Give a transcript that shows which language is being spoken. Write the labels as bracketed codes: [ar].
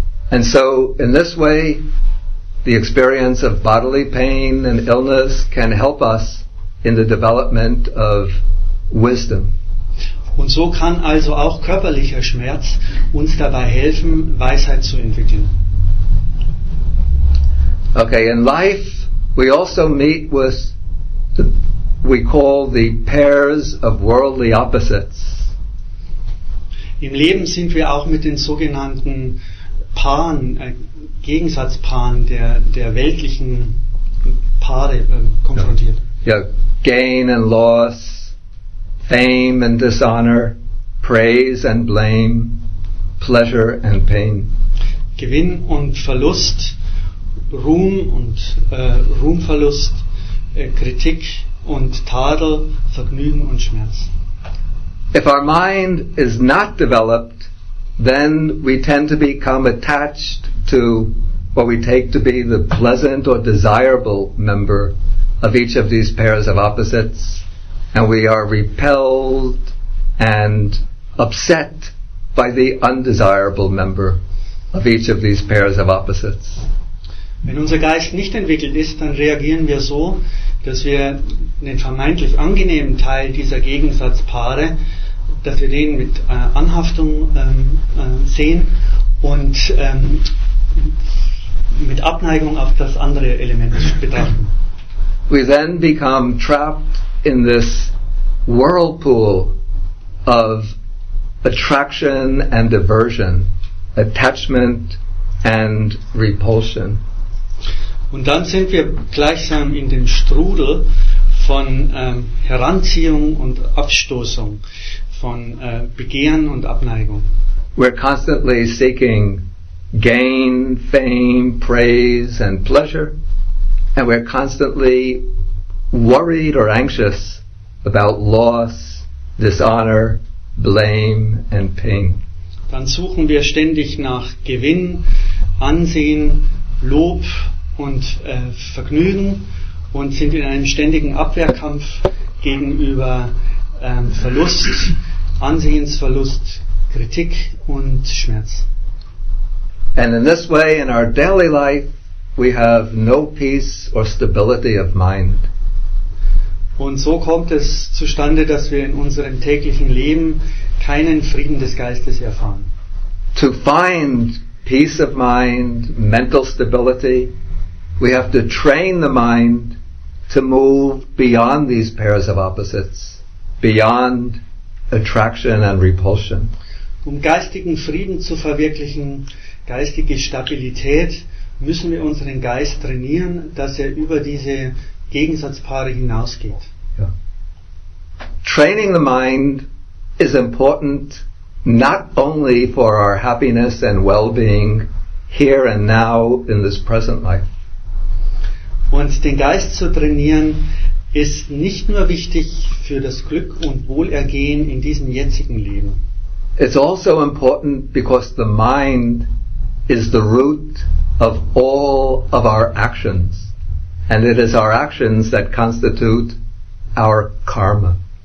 [en] And so in this way, the experience of bodily pain and illness can help us in the development of wisdom. [de] Und so kann also auch körperlicher Schmerz uns dabei helfen, Weisheit zu entwickeln. [en] Okay, in life we also meet with we call the pairs of worldly opposites. [de] Im Leben sind wir auch mit den sogenannten Paaren, Gegensatzpaaren der weltlichen Paare konfrontiert. [en] Yeah, gain and loss, fame and dishonor, praise and blame, pleasure and pain. [de] Gewinn und Verlust, Ruhm und Ruhmverlust, Kritik und Tadel, Vergnügen und Schmerz. [en] If our mind is not developed, then we tend to become attached to what we take to be the pleasant or desirable member of each of these pairs of opposites, and we are repelled and upset by the undesirable member of each of these pairs of opposites. [de] Wenn unser Geist nicht entwickelt ist, dann reagieren wir so, dass wir den vermeintlich angenehmen Teil dieser Gegensatzpaare, dass wir den mit Anhaftung sehen und mit Abneigung auf das andere Element betrachten. [en] We then become trapped in this whirlpool of attraction and aversion, attachment and repulsion. [de] Und dann sind wir gleichsam in dem Strudel von Heranziehung und Abstoßung, von Begehren und Abneigung. [en] We're constantly seeking gain, fame, praise and pleasure, and we're constantly worried or anxious about loss, dishonor, blame and pain. [de] Dann suchen wir ständig nach Gewinn, Ansehen, Lob und Vergnügen und sind in einem ständigen Abwehrkampf gegenüber Verlust, Ansehensverlust, Kritik und Schmerz. [en] And in this way, in our daily life, we have no peace or stability of mind. [de] Und so kommt es zustande, dass wir in unserem täglichen Leben keinen Frieden des Geistes erfahren. [en] To find peace of mind, mental stability, we have to train the mind to move beyond these pairs of opposites, beyond attraction and repulsion. [de] Um geistigen Frieden zu verwirklichen, geistige Stabilität, müssen wir unseren Geist trainieren, dass er über diese Gegensatzpaare hinausgeht. [en] Yeah. Training the mind is important not only for our happiness and well-being here and now in this present life. [de] Und den Geist zu trainieren ist nicht nur wichtig für das Glück und Wohlergehen in diesem jetzigen Leben. [en] It's also important because the mind is the root of all of our actions. And it is our actions that constitute our karma.